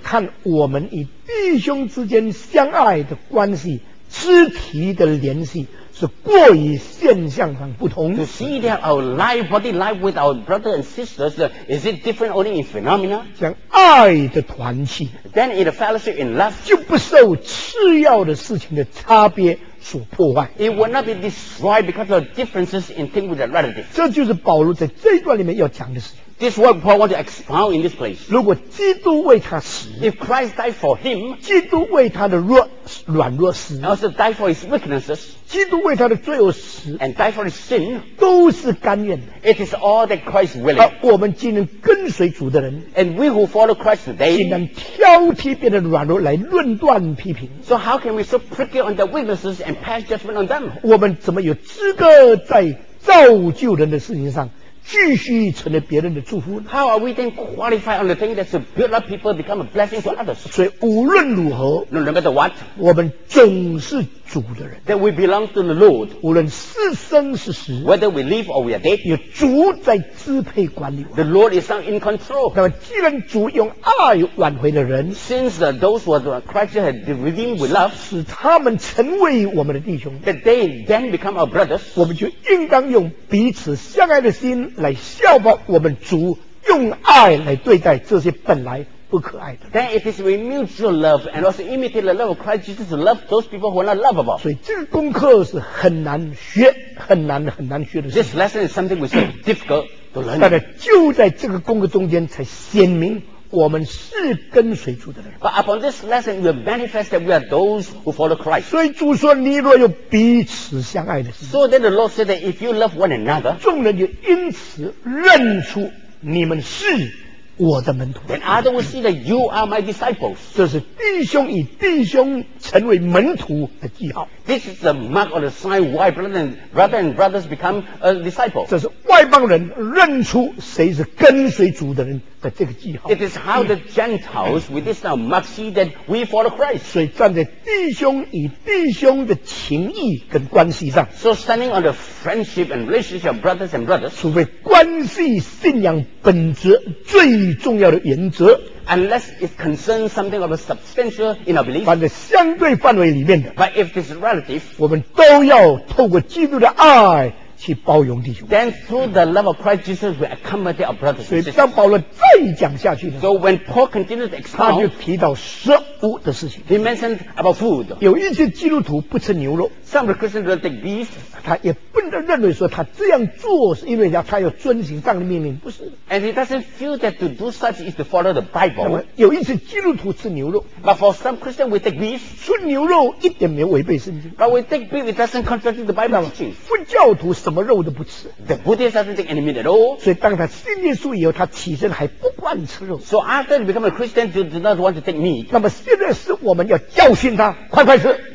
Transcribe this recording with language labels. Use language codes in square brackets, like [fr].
[zh] 看我们与弟兄之间相爱的关系，肢体的联系是过于现象上不同。 [en] To see that our life, body life with our brothers and sisters, is it different only in phenomena? [zh] 像爱的团契。 [en] Then in a fellowship in love, [zh] 就不受次要的事情的差别所破坏。 [en] It will not be destroyed because of differences in things with the relative. [zh] 这就是保罗在这一段里面要讲的事情。 [en] This is what Paul wants to expound in this place. [zh] 如果基督为他死， [en] If Christ died for him, [zh] 基督为他的弱软弱死， [en] also died for his weaknesses, [zh] 基督为他的罪恶死， [en] and died for his sin, [zh] 都是甘愿的。 [en] It is all that Christ willing. [zh] 而我们既能跟随主的人， [en] and we who follow Christ today, [zh] 既能挑剔别人的软弱来论断批评。 [en] So how can we so prickly on their weaknesses and pass judgment on them? [zh] 我们怎么有资格在造就人的事情上继续成了别人的祝福呢？ [en] How are we then qualified on the thing that to build up people become a blessing to others? [zh] 所以无论如何， [en] No matter what, [zh] 我们总是主的人。 [en] That we belong to the Lord. [zh] 无论是生是死， [en] Whether we live or we are dead, [zh] 有主在支配管理我。 [en] The Lord is not in control. [zh] 那么既然主用爱挽回的人， [en] Since those who are Christ had redeemed with love, [zh] 使他们成为我们的弟兄， [en] That they then become our brothers, [zh] 我们就应当用彼此相爱的心来效法我们主用爱来对待这些本来不可爱的。 [en] Then it is with mutual love and also imitate the love of Christ Jesus to love those people who are not lovable. [zh] 所以这个功课是很难学，很难很难学的事。 [en] This lesson is something which is difficult to learn. [zh] 但是就在这个功课中间才显明我们是跟随主的人。 [en] But upon this lesson we manifest that we are those who follow Christ. [zh] 所以主说你若有彼此相爱的心， [en] So then the Lord said that if you love one another, [zh] 众人就因此认出你们是我的门徒。 [en] Then others will see that you are my disciples. [zh] 这是弟兄与弟兄成为门徒的记号。 [en] This is the mark or the sign why brothers become a disciple. [zh] 这是外邦人认出谁是跟随主的人的这个记号。 [en] It is how the Gentiles with this now mark see that we follow Christ. [zh] 所以站在弟兄与弟兄的情谊跟关系上， [en] So standing on the friendship and relationship of brothers and brothers, [zh] 除非关系信仰本质最重要的原则， [en] unless it concerns something of a substantial in our belief, [zh] 反正相对范围里面的， [en] but if this is relative, [zh] 我们都要透过基督的爱去包容弟兄。 [en] Then through the love of Christ Jesus we accommodate our brothers. [zh] 所以当保罗再讲下去呢， [en] So when Paul continues to expound, [zh] 他就提到食物的事情。 [en] He mentioned about food. [zh] 有一些基督徒不吃牛肉， [en] Some of the Christians don't take beef. [zh] 他也不能认为说他这样做是因为他要遵循上帝的命令，不是。 [en] And he doesn't feel that to do such is to follow the Bible. [zh] 那么有一些基督徒吃牛肉， [en] But for some Christians we take beef. [zh] 吃牛肉一点没有违背圣经， [en] But we take beef it doesn't contradict the Bible teaching. [zh] 佛教徒什么肉都不吃， [en] The Buddhist doesn't take any meat at all. [zh] 所以当他信耶稣以后，他起身还不惯吃肉。 [en] So after he become a Christian, he does not want to take meat. [zh] 那么现在是我们要教训他快快吃。